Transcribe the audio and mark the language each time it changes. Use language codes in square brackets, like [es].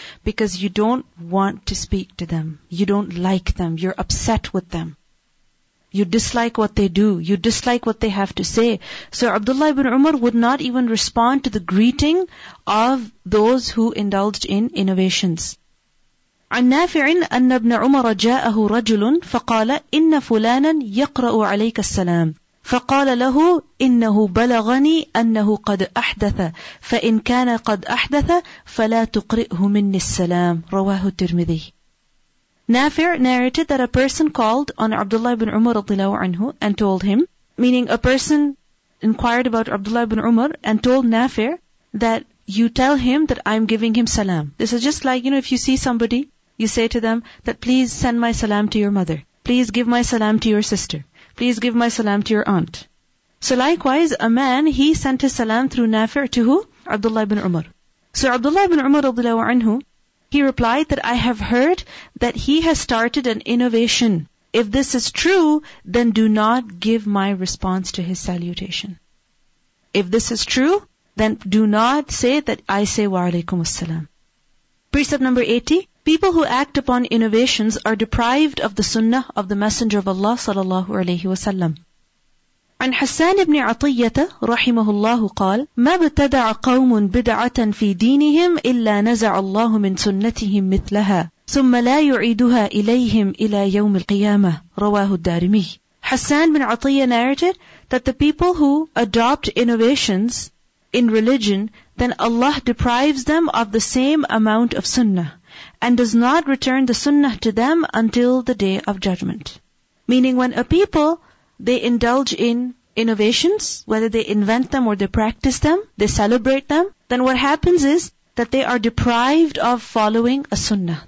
[en] Because you don't want to speak to them. You don't like them. You're upset with them. You dislike what they do. You dislike what they have to say. So Abdullah ibn Umar would not even respond to the greeting of those who indulged in innovations. [ar] عن نافع أن ابن عمر جاءه رجل فقال إن فلانا يقرأ عليك السلام فقال له إنه بلغني أنه قد أحدث فإن كان قد أحدث فلا تقرئه مني السلام رواه الترمذي. [en] Nafi narrated that a person called on Abdullah ibn Umar [ar] رضي الله عنه [en] and told him, meaning a person inquired about Abdullah ibn Umar and told Nafi that you tell him that I'm giving him salam. This is just like, you know, if you see somebody, you say to them that please send my salam to your mother. Please give my salam to your sister. Please give my salam to your aunt. So likewise, a man, he sent his salam through Nafi' to who? Abdullah ibn Umar. So Abdullah ibn Umar radiallahu anhu, he replied that I have heard that he has started an innovation. If this is true, then do not give my response to his salutation. If this is true, then do not say that I say wa alaykum as-salam. Precept number 80. People who act upon innovations are deprived of the sunnah of the Messenger of Allah sallallahu alayhi wa sallam. [ar] عن حسان بن عطية رحمه الله قال ما ابتدع قوم بدعة في دينهم إلا نزع الله من سنتهم مثلها ثم لا يعيدها إليهم إلى يوم القيامة رواه الدارمي. [en] Hassan ibn Atiyyah narrated that the people who adopt innovations in religion, then Allah deprives them of the same amount of sunnah and does not return the sunnah to them until the day of judgment. Meaning when a people, they indulge in innovations, whether they invent them or they practice them, they celebrate them, then what happens is that they are deprived of following a sunnah.